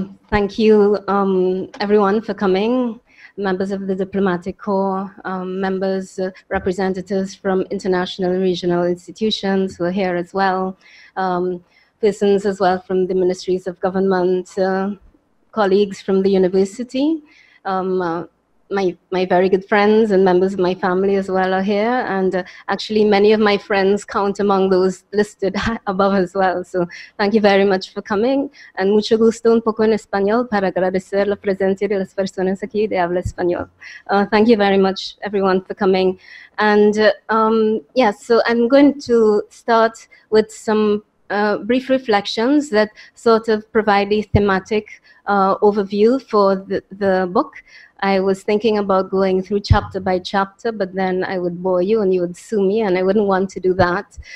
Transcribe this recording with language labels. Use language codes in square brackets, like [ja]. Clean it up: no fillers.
[en] Thank you, everyone, for coming. Members of the Diplomatic Corps, members, representatives from international and regional institutions who are here as well, persons as well from the ministries of government, colleagues from the university, my very good friends and members of my family as well are here, and actually many of my friends count among those listed above as well. So thank you very much for coming, and [es] mucho gusto un poco en español para agradecer la presencia de las personas aquí de habla español. [en] Thank you very much, everyone, for coming. And so I'm going to start with some brief reflections that sort of provide a thematic overview for the book. I was thinking about going through chapter by chapter, but then I would bore you and you would sue me, and I wouldn't want to do that.